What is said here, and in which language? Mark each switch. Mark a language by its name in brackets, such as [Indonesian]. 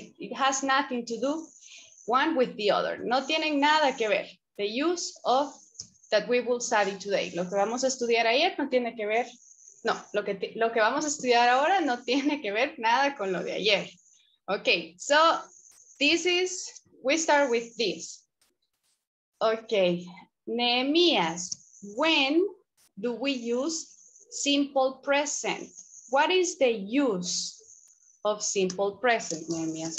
[English] It has nothing to do one with the other. [Spanish] No tienen nada que ver. [English] The use of that we will study today. [Spanish] Lo que vamos a estudiar ayer no tiene que ver. No, lo que vamos a estudiar ahora no tiene que ver nada con lo de ayer. [English] Okay, so this is, we start with this. Okay, Nehemías, when do we use simple present? What is the use of simple present, Nehemías?